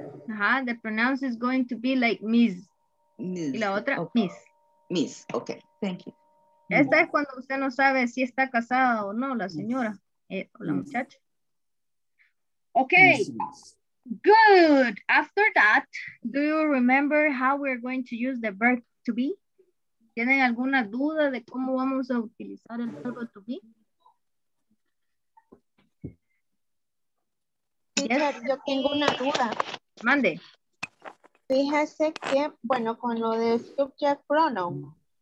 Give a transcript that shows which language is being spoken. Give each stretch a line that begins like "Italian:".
English: Ajá, the pronounce is going to be like Miss. Miss.
Spanish: Y la otra, okay. Miss.
English: Miss, ok, thank you.
Spanish: Esta es cuando usted no sabe si está casada o no, la señora o la muchacha.
English: Ok, good. After that, do you remember how we're going to use the verb to be?
Spanish: ¿Tienen alguna duda de cómo vamos a utilizar el verbo to be? Yes. Yo tengo una duda. Mande. Fíjese que, bueno, con lo del subject pronoun.